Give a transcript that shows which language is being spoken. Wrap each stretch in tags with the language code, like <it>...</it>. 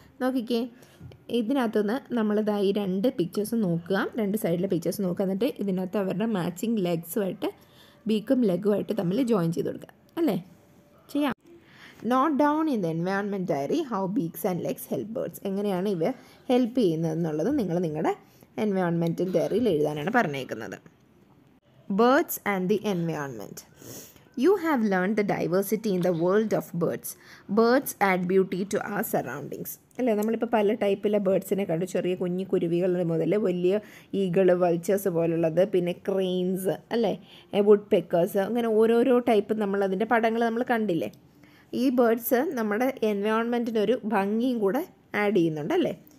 <ml>നോക്കിക്കേ, ഇതിനകത്തുനിന്ന് നമ്മളിതായി രണ്ട് പിക്ചേഴ്സ് നോക്കുക, രണ്ട് സൈഡിലെ പിക്ചേഴ്സ് നോക്കുക, എന്നിട്ട് ഇതിനകത്ത് അവരുടെ മാച്ചിങ് ലെഗ്സുമായിട്ട് ബീക്കും ലെഗുമായിട്ട് തമ്മിൽ ജോയിൻ ചെയ്ത് കൊടുക്കുക അല്ലേ. ചെയ്യാം.</ml> <en>Note down in the environment diary how beaks and legs help birds.</en> <ml>എങ്ങനെയാണ് ഇവ ഹെൽപ്പ് ചെയ്യുന്നതെന്നുള്ളത് നിങ്ങൾ നിങ്ങളുടെ എൻവയോൺമെൻറ്റിൻ്റെ ഡയറിയിൽ എഴുതാനാണ് പറഞ്ഞേക്കുന്നത്.</ml> <en>Birds and the environment. You have learned the diversity in the world of birds. Birds add beauty to our surroundings.</en> <ml>അല്ലെ, നമ്മളിപ്പോൾ പല ടൈപ്പിലെ ബേർഡ്സിനെ കണ്ടു, ചെറിയ കുഞ്ഞു കുരുവികൾ മുതൽ വലിയ ഈഗിള്, വൾച്ചേഴ്സ് പോലുള്ളത്, പിന്നെ ക്രെയിൻസ് അല്ലേ, വുഡ് പെക്കേഴ്സ്, അങ്ങനെ ഓരോരോ ടൈപ്പ് നമ്മളതിൻ്റെ പടങ്ങൾ നമ്മൾ കണ്ടില്ലേ. ഈ ബേർഡ്സ് നമ്മുടെ എൻവയോൺമെൻറ്റിനൊരു ഭംഗിയും കൂടെ ആഡ് ചെയ്യുന്നുണ്ട് അല്ലേ.</ml>